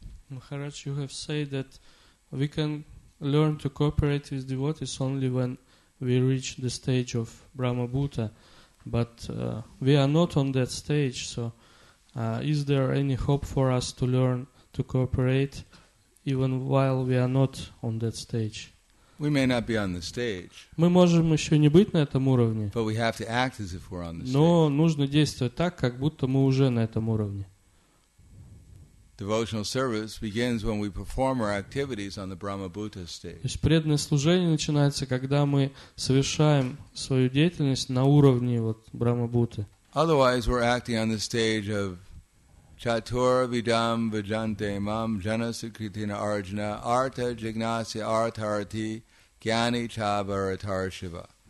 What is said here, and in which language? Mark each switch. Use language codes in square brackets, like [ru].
[en] Maharaj, you have said that we can learn to cooperate with devotees only when we reach the stage of Brahma Bhuta, but we are not on that stage, so is there any hope for us to learn to cooperate even while we are not on that stage? We may not be on the stage. [ru] Мы можем еще не быть на этом уровне. [en] But we have to act as if we're on the stage. [ru] Но нужно действовать так, как будто мы уже на этом уровне. [en] Devotional service begins when we perform our activities on the Brahma-Bhuta stage. [ru] Преданное служение начинается, когда мы совершаем свою деятельность на уровне вот Брахма-Бхуты. [en] Otherwise, we're acting on the stage of [sa] Chatur Vidam Vajante Mam Janasukritina Arjuna Arta Jignasi Artharati Gyani Chavaratar Shiva.